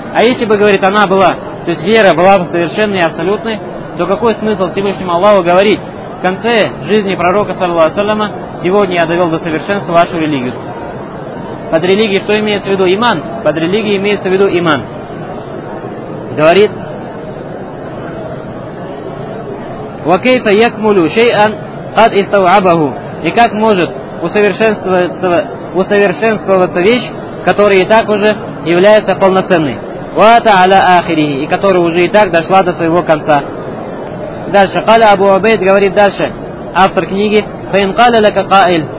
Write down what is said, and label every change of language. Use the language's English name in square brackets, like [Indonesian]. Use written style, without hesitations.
[Russian] А если бы, говорит, она была, то есть вера была бы совершенной и абсолютной, то какой смысл Всевышнему Аллаху говорить в конце жизни пророка, саллаллаху алейхи ва саллям, сегодня я довел до совершенства вашу религию? Под религией что имеется в виду? Иман. Под религией имеется в виду иман. Говорит, [Arabic] وَكَيْفَ يَكْمُلُ شَيْئًا قَدْ إِسْتَوْعَبَهُ. [Russian] И как может усовершенствоваться вещь, которая и так уже является полноценной? [Arabic] وَاتَ عَلَىٰ آخِرِهِ. [Russian] И которая уже и так дошла до своего конца. Дальше. [Arabic] قَالَ أَبُو عُبَيْدٍ. [Russian] Говорит дальше автор книги. [Arabic] فَإِنْ قَالَ لَكَ قَائِلٌ.